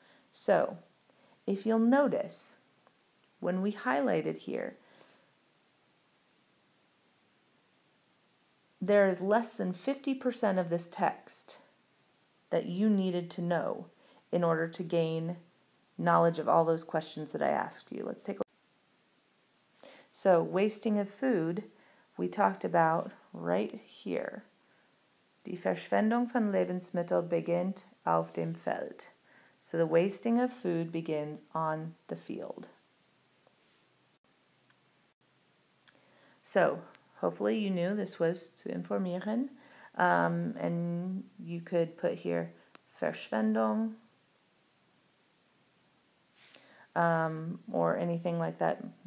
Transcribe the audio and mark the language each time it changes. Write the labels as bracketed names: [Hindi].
[English] So, if you'll notice, when we highlighted here, there is less than 50% of this text that you needed to know in order to gain knowledge of all those questions that I asked you. Let's take a look. So, wasting of food, we talked about right here. [German] Die Verschwendung von Lebensmitteln beginnt auf dem Feld. [English] So the wasting of food begins on the field. So hopefully you knew this was [German] zu informieren. [English] And you could put here Verschwendung or anything like that.